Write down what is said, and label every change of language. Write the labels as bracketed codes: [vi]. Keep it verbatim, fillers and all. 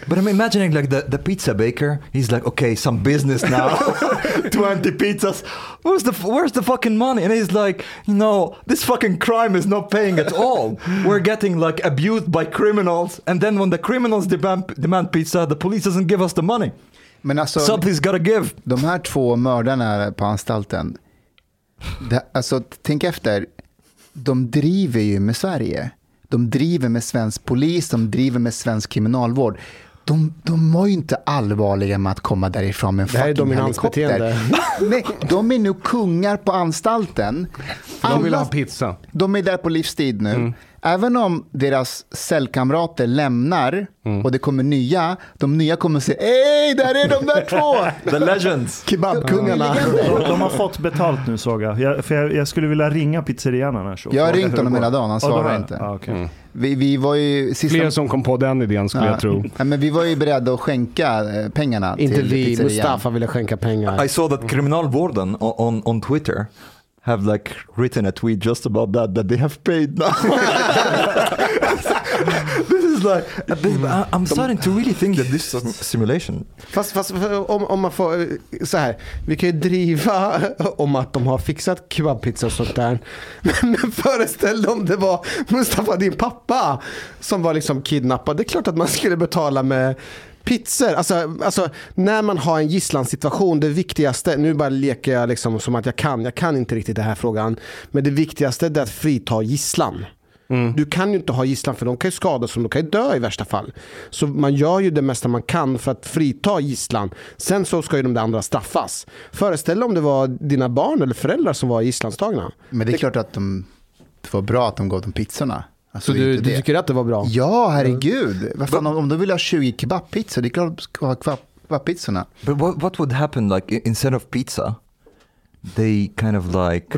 [en] But I'm imagining like the, the pizza baker. He's like, okay, some business now. twenty pizzas. Where's the, where's the fucking money? And he's like, no, this fucking crime is not paying at all. We're getting like abused by criminals. And then when the criminals demand, demand pizza, the police doesn't give us the money. [sv] Men alltså, [en] something's gotta give. [sv] De här två mördarna på anstalten. Det, alltså, tänk efter. De driver ju med Sverige. De driver med svensk polis. De driver med svensk kriminalvård. De, de mår ju inte allvarliga med att komma därifrån med en fucking helikopter. Nej, de är nu kungar på anstalten. Alla, de vill ha pizza. De är där på livstid nu. Mm. Även om deras cellkamrater lämnar mm. och det kommer nya, de nya kommer att säga, ej, där är de där två! [en] The legends! [sv] Kebabkungarna! De, de har fått betalt nu, såg jag. Jag, för jag, jag skulle vilja ringa pizzerian annars. Jag har ringt honom hela dagen, han svarade oh, inte. [en] Ah, okay. [sv] mm. vi, vi var ju... Sista... Fler som kom på den idén skulle ah. jag tro. Ja, men vi var ju beredda att skänka pengarna inte till vi, pizzerian. Mustafa ville skänka pengar. [en] I saw that kriminalvården on, on, on Twitter have like written a tweet just about that that they have paid now. This is like this, I'm starting to really think that this is simulation. [sv] Fast, fast om, om man får så här, vi kan ju driva om att de har fixat kebabpizza och sånt där. Men, men föreställ dig om det var Mustafa, din pappa, som var liksom kidnappad. Det är klart att man skulle betala med pizzor, alltså, alltså när man har en gisslansituation, det viktigaste, nu bara leker jag liksom som att jag kan, jag kan inte riktigt den här frågan, men det viktigaste är att frita gisslan. Mm. Du kan ju inte ha gisslan för de kan ju skadas och de kan ju dö i värsta fall. Så man gör ju det mesta man kan för att frita gisslan. Sen så ska ju de där andra straffas. Föreställ om det var dina barn eller föräldrar som var gisslantagna. Men det är klart att de, det var bra att de gav dem pizzorna. Alltså, så du, du tycker att det var bra? Ja, herregud. Vad fan, om, om du vill ha tjugo kebabpizza, det är klart att du ska ha kebabpizzorna. [en] But what, what would happen like instead of pizza, they kind of like...